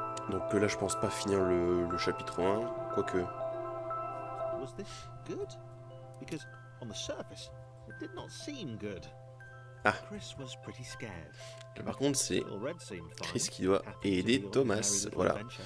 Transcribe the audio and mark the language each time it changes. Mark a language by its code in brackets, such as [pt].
[fr] Donc là, je pense pas finir le chapitre 1, quoique. [en] Was this good? Because on the surface, it did not seem good. Ah. Chris was pretty scared. [fr] Là, par contre, c'est Chris qui doit aider Thomas. Voilà.